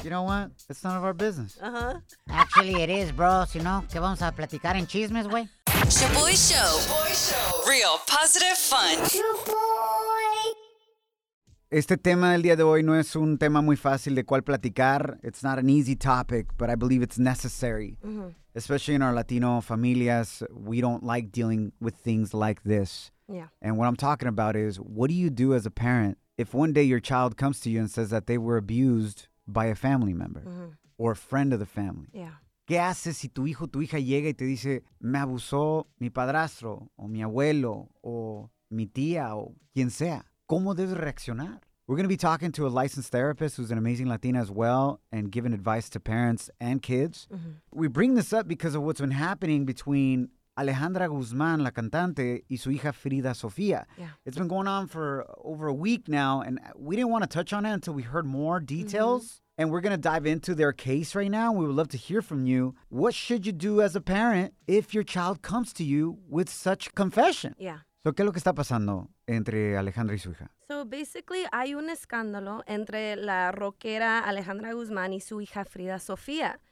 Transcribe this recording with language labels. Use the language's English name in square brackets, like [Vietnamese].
[English] You know what? It's none of our business. Uh-huh. Actually, it is, bro. [Spanish] Si no, ¿qué vamos a platicar en chismes, güey? [English] Shaboy Show. Shaboy Show. Real positive fun. Shaboy. [Spanish] Este tema del día de hoy no es un tema muy fácil de cual platicar. [English] It's not an easy topic, but I believe it's necessary. Mm-hmm. Especially in our Latino familias, we don't like dealing with things like this. Yeah. And what I'm talking about is, what do you do as a parent if one day your child comes to you and says that they were abused by a family member or a friend of the family? Yeah. ¿Qué haces si tu hijo, tu hija llega y te dice, me abusó mi padrastro, o mi abuelo, o mi tía, o quien sea? ¿Cómo debes reaccionar? We're going to be talking to a licensed therapist who's an amazing Latina as well and giving advice to parents and kids. Mm-hmm. We bring this up because of what's been happening between Alejandra Guzmán, [Spanish] la cantante, y su hija [English] Frida Sofía. Yeah. It's been going on for over a week now, and we didn't want to touch on it until we heard more details. Mm-hmm. And we're going to dive into their case right now. We would love to hear from you. What should you do as a parent if your child comes to you with such confession? Yeah. [Spanish] So, ¿qué es lo que está pasando entre Alejandra y su hija? [English] So, basically, [Spanish] hay un escándalo entre la rockera Alejandra Guzmán y su hija Frida Sofía.